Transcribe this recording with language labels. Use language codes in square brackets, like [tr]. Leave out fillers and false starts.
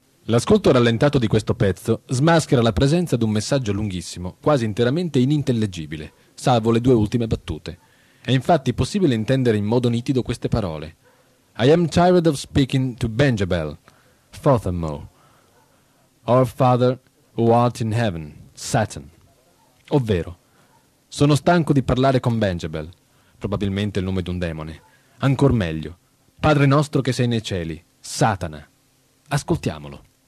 [it] L'ascolto rallentato di questo pezzo smaschera la presenza di un messaggio lunghissimo, quasi interamente inintellegibile, salvo le due ultime battute. È infatti possibile intendere in modo nitido queste parole. [en] I am tired of speaking to Benjabel, Fothamore, our father who art in heaven, Satan. [it] Ovvero, sono stanco di parlare con Benjabel, probabilmente il nome di un demone. Ancor meglio, padre nostro che sei nei cieli, Satana. Ascoltiamolo.